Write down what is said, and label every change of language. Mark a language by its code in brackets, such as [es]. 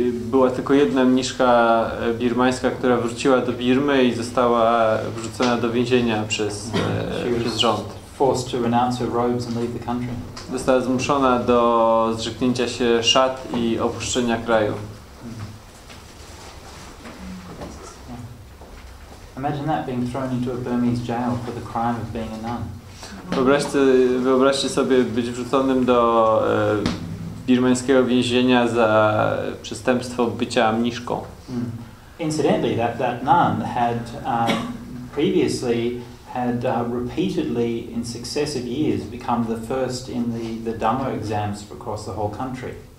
[pl] Była tylko jedna mniszka birmańska, która wróciła do Birmy i została wrzucona do więzienia przez rząd. [en] Forced to renounce her robes and leave the country. [pl] Została zmuszona do zrzeknięcia się szat i opuszczenia kraju. [en] Imagine that, being thrown into a Burmese jail for the crime of being a nun. [pl] Wyobraźcie sobie być wrzuconym do birmańskiego więzienia za przestępstwo bycia mniszką. [en] Incidentally, that nun had previously had repeatedly in successive years become the first in the Dhamma exams across the whole country.